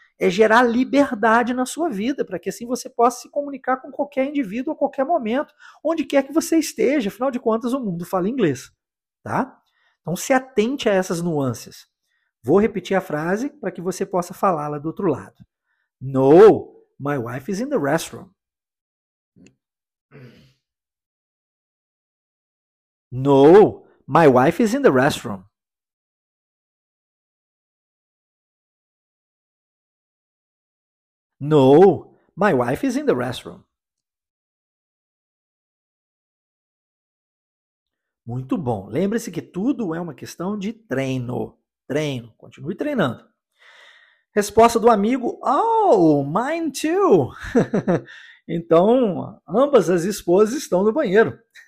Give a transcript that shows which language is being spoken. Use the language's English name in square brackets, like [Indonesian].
[Portuguese] É gerar liberdade na sua vida, para que assim você possa se comunicar com qualquer indivíduo a qualquer momento, onde quer que você esteja. Afinal de contas, o mundo fala inglês, tá? Então, se atente a essas nuances. Vou repetir a frase para que você possa falá-la do outro lado. [English] No, my wife is in the restroom. No, my wife is in the restroom. No, my wife is in the restroom. [Portuguese] Muito bom. Lembre-se que tudo é uma questão de treino. Treino. Continue treinando. Resposta do amigo: [English] Oh, mine too. [Portuguese] Então, ambas as esposas estão no banheiro.